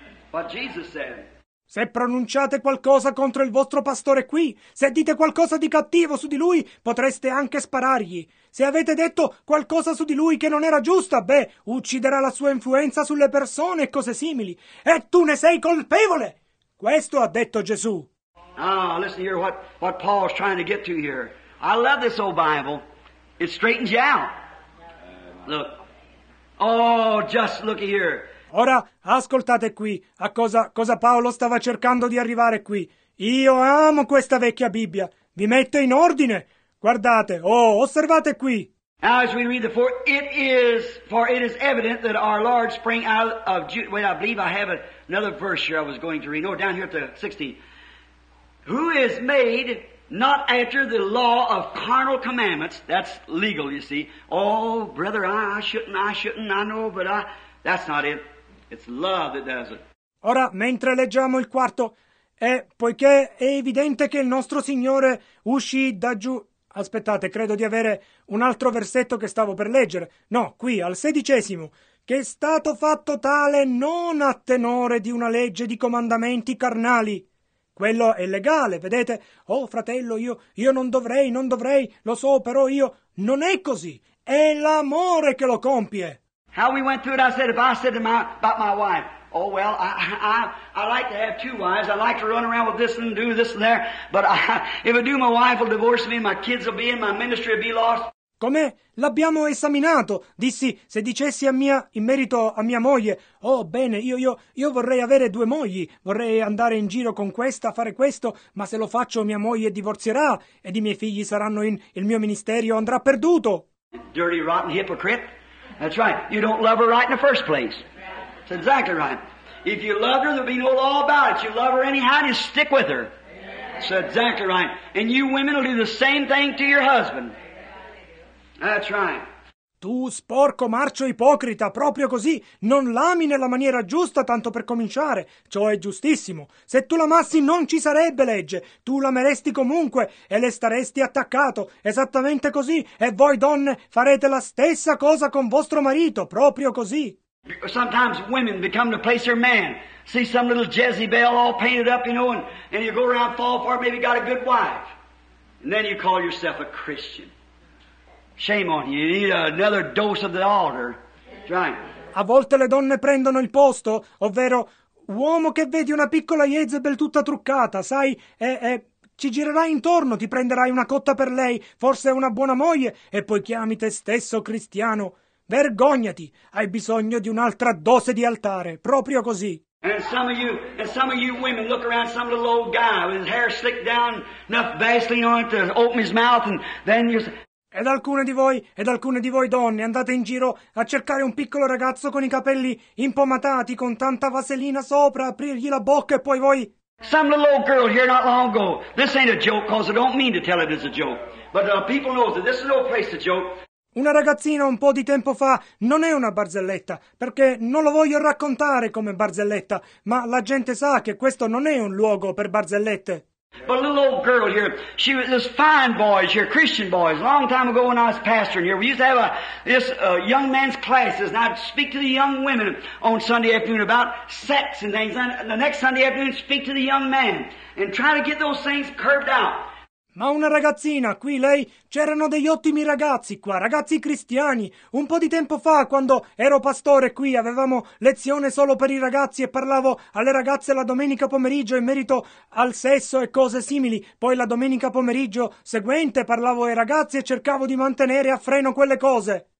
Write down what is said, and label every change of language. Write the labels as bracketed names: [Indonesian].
[English] What Jesus said. [Italian] Se pronunciate qualcosa contro il vostro pastore qui, se dite qualcosa di cattivo su di lui, potreste anche sparargli. Se avete detto qualcosa su di lui che non era giusta, beh, ucciderà la sua influenza sulle persone e cose simili. E tu ne sei colpevole! Questo ha detto Gesù. [English] Ah, listen here what Paul is trying to get to here. I love this old Bible. It straightens you out. Look. Oh, just look here. [Italian] Ora, ascoltate qui a cosa Paolo stava cercando di arrivare qui. Io amo questa vecchia Bibbia. Vi metto in ordine. Guardate, oh, osservate qui. [English] As we read the it is evident that our Lord sprang out of Judah. Wait, I believe I have another verse here I was going to read. Oh, down here at the 16. Who is made not after the law of carnal commandments. That's legal, you see. Oh, brother, I shouldn't, I know, but I... That's not it. It's love that does it. [Italian] Ora, mentre leggiamo il quarto, poiché è evidente che il nostro Signore uscì da giù... Aspettate, credo di avere un altro versetto che stavo per leggere. No, qui, al 16. Che è stato fatto tale non a tenore di una legge di comandamenti carnali. Quello è legale, vedete? Oh, fratello, io non dovrei, lo so, però io... Non è così. È l'amore che lo compie. [English] How we went through it, I said about my wife, oh well, I like to have two wives, I like to run around with this and do this and there, but if I do, my wife will divorce me, my kids will be in, my ministry will be lost. [Italian] Com'è? L'abbiamo esaminato. Dissi, se dicessi in merito a mia moglie, oh bene, io vorrei avere due mogli, vorrei andare in giro con questa, fare questo, ma se lo faccio mia moglie divorzierà, ed i miei figli saranno in, il mio ministerio andrà perduto. [English] Dirty, rotten hypocrite. That's right. You don't love her right in the first place. That's exactly right. If you loved her, there'll be no law about it. You love her anyhow, just stick with her. That's exactly right. And you women will do the same thing to your husband. That's right. [Italian] Tu sporco marcio ipocrita, proprio così. Non l'ami nella maniera giusta, tanto per cominciare. Ciò è giustissimo. Se tu l'amassi, non ci sarebbe legge. Tu l'ameresti comunque e le staresti attaccato. Esattamente così. E voi donne farete la stessa cosa con vostro marito, proprio così. [English] Sometimes women become the place their man. See some little Jezebel all painted up, you know, and you go around fall for it, maybe got a good wife. And then you call yourself a Christian. Shame on you. You need another dose of the altar. Right. [Italian] A volte le donne prendono il posto, ovvero uomo che vedi una piccola Jezebel tutta truccata, sai, ci girerai intorno, ti prenderai una cotta per lei, forse una buona moglie, e poi chiami te stesso cristiano. Vergognati, hai bisogno di un'altra dose di altare, proprio così. [English] And some of you women look around some little old guy with his hair slicked down, enough Vaseline on it to open his mouth, and then you say... [Italian] Ed alcune di voi donne andate in giro a cercare un piccolo ragazzo con i capelli impomatati con tanta vaselina sopra, aprirgli la bocca e poi voi... [English] Some little old girl here not long ago, this ain't a joke cause I don't mean to tell it as a joke, but people know that this is no place to joke. [Italian] Una ragazzina un po' di tempo fa non è una barzelletta, perché non lo voglio raccontare come barzelletta, ma la gente sa che questo non è un luogo per barzellette. [English] But a little old girl here, she was this fine boys here, Christian boys, a long time ago when I was pastoring here, we used to have this young man's classes, and I'd speak to the young women on Sunday afternoon about sex and things, and the next Sunday afternoon speak to the young man, and try to get those things curved out. [Italian] Ma una ragazzina qui, lei, c'erano degli ottimi ragazzi qua, ragazzi cristiani. Un po' di tempo fa, quando ero pastore qui, avevamo lezione solo per i ragazzi e parlavo alle ragazze la domenica pomeriggio in merito al sesso e cose simili. Poi la domenica pomeriggio seguente parlavo ai ragazzi e cercavo di mantenere a freno quelle cose.